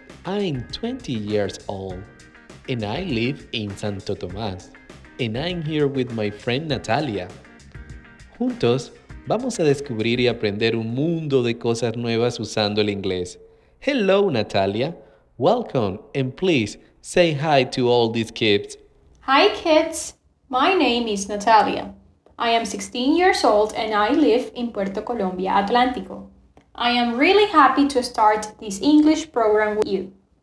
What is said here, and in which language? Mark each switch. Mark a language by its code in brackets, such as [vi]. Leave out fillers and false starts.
[en] I'm 20 years old, and I live in Santo Tomás, and I'm here with my friend Natalia. [es] Juntos, vamos a descubrir y aprender un mundo de cosas nuevas usando el inglés. [en] Hello, Natalia. Welcome, and please say hi to all these kids. Hi, kids. My name is Natalia. I am 16 years old and I live in Puerto Colombia, Atlántico. I am really happy to start this English program with you.